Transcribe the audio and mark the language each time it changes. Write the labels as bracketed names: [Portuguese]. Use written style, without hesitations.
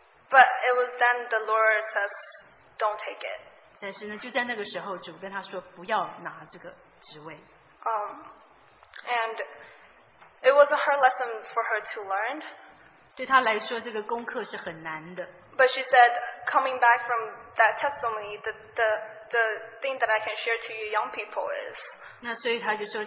[English] But it was then the Lord says, "Don't take it." [Chinese] 但是呢，就在那个时候，主跟他说不要拿这个职位。 [English] And it was a hard lesson for her to learn. [Chinese] 对他来说，这个功课是很难的。 [English] But she said, coming back from that testimony, the thing that I can share to you young people is.